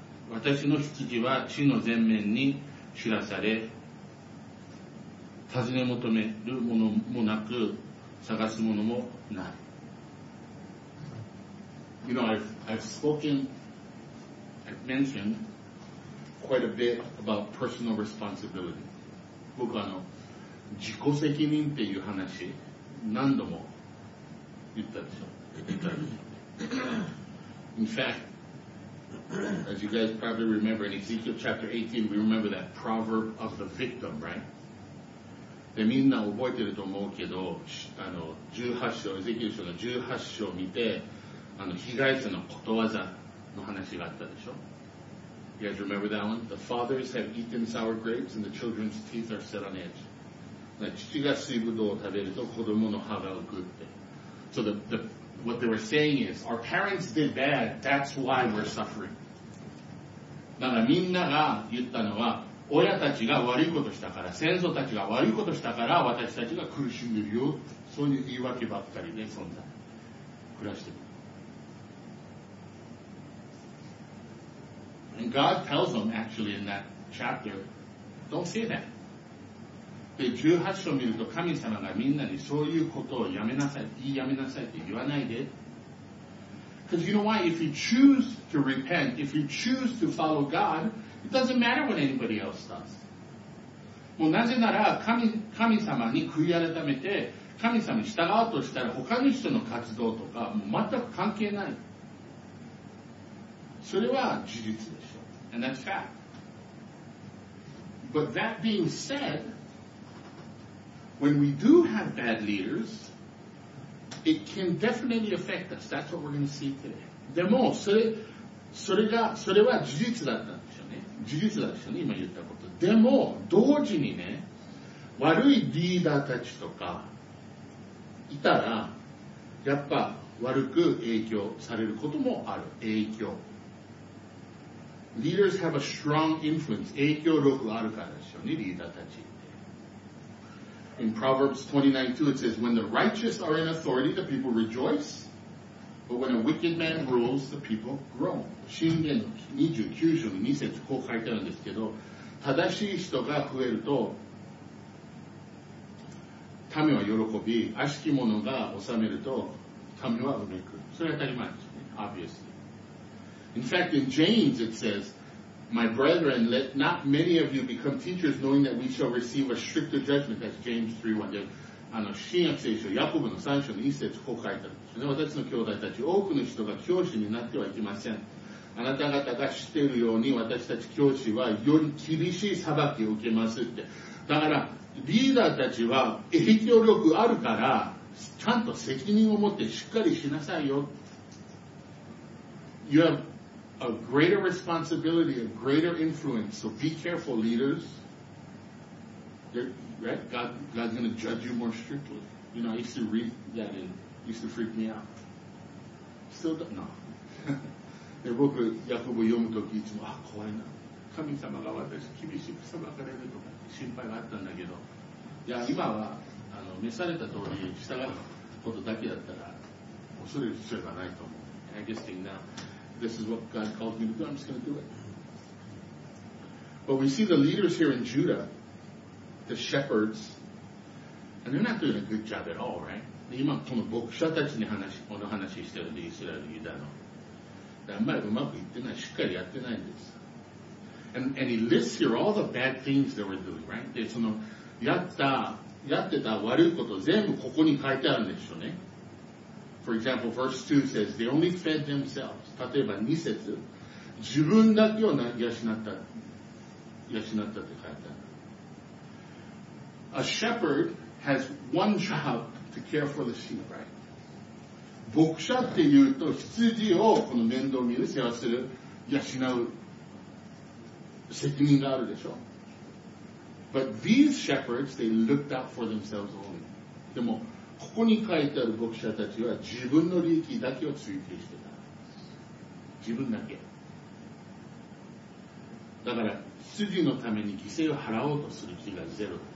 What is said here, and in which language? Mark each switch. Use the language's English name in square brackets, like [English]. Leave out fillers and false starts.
[Japanese] 私の羊は地の全面に散らされ、尋ね求めるものもなく、探すものもない。 [English] You know, I've mentioned quite a bit about personal responsibility. [Japanese] 僕は自己責任っていう話何度も言ったでしょ。 [English] In fact, as you guys probably remember in Ezekiel chapter 18, we remember that proverb of the victim, right? [Japanese] で、みんな覚えてると思うけど、Ezekiel 書の18章を見て、被害者のことわざの話があったでしょ。 [English] You guys remember that one? The fathers have eaten sour grapes and the children's teeth are set on edge. [Japanese] 父が水ぶどうを食べると子供の歯が浮くって。 [English] So what they were saying is, our parents did bad, that's why we're suffering. [Japanese] だからみんなが言ったのは、親たちが悪いことしたから、先祖たちが悪いことしたから私たちが苦しんでるよ。そういう言い訳ばっかりで、そんな。暮らしてる。 [English] And God tells them actually in that chapter, don't say that. [Japanese] で、18章を見ると神様がみんなにそういうことをやめなさい、言いやめなさいって言わないで。 [English] Because you know why? If you choose to repent, if you choose to follow God, it doesn't matter what anybody else does. [Japanese] もうなぜなら神様に悔い改めて神様に従おうとしたら他の人の活動とかもう全く関係ない。それは事実でしょ。 [English] And that's fact. But that being said, when we do have bad leaders, it can definitely affect us. That's what we're going to see today. [Japanese] でも、それは事実だったんでしょうね。事実だったんでしょうね、今言ったこと。でも、同時にね、悪いリーダーたちとかいたら、やっぱ悪く影響されることもある。影響。 [English] Leaders have a strong influence. [Japanese] 影響力があるからですよね、リーダーたち。 [English] In Proverbs 29:2 it says, When the righteous are in authority, the people rejoice. But when a wicked man rules, the people groan. [Japanese] 箴言29章の2節こう書いてあるんですけど、正しい人が増えると、民は喜び、悪しき者が治めると、民はうめく。それは当たり前ですね、 [English] obviously. In fact, in James, it says, My brethren, let not many of you become teachers, knowing that we shall receive a stricter judgment. That's James 3:1. [Japanese] で、新約聖書、ヤコブの3章の1節、こう書いてあるんですよね。私の兄弟たち、多くの人が教師になってはいけません。あなた方が知っているように、私たち教師はより厳しい裁きを受けますって。だから、リーダーたちは影響力あるから、ちゃんと責任を持ってしっかりしなさいよ。 [English] You have a greater responsibility, a greater influence. So be careful, leaders. Right? God's going to judge you more strictly. You know, I used to read that in. It used to freak me out. Still don't know. [Japanese] で、僕、ヤコブ読むときいつも、あ、怖いな。神様が私、厳しく裁かれるとか心配があったんだけど、いや、今は、召された通り従うことだけだったら、恐れる必要がないと思う。 [English] I guess thing now. This is what God called me to do. I'm just going to do it. But we see the leaders here in Judah, the shepherds, and they're not doing a good job at all, right? [Japanese] 今この牧者たちに話、この話してるんで、イスラエル、ユダの。あんまりうまくいってない、しっかりやってないんです。 [English] And he lists here all the bad things they were doing, right? [Japanese] で、その、やった、やってた悪いこと全部ここに書いてあるんでしょうね。 [English] For example, verse 2 says, they only fed themselves. [Japanese] 例えば2節、自分だけを養ったって書いてある。 [English] A shepherd has one job to care for the sheep, right? [Japanese] 牧者っていうと羊をこの面倒見る、世話する、養う責任があるでしょ。 [English] But these shepherds, they looked out for themselves only. [Japanese] でも、ここに書いてある牧者たちは自分の利益だけを追求してた。自分だけ。だから、羊のために犠牲を払おうとする気がゼロ。